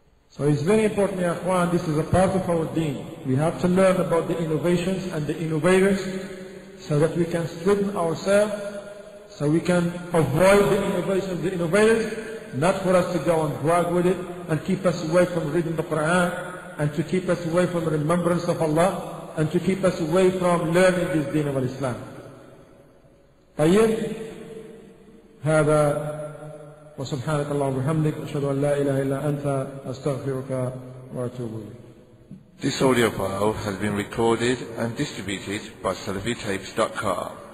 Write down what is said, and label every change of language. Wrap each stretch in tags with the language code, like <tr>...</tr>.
<en>So it's very important, ya akhwan, this is a part of our deen. We have to learn about the innovations and the innovators so that we can strengthen ourselves, so we can avoid the innovations, the innovators, not for us to go and brag with it and keep us away from reading the Quran and to keep us away from remembrance of Allah and to keep us away from learning this deen of Islam. Tayyib,</en> <ar>هذا وسبحانك اللهم وبحمدك أشهد أن لا إله إلا أنت أستغفرك وأتوب إليك.</ar> <en>This audio file has been recorded and distributed by SalafiTapes.com.</en>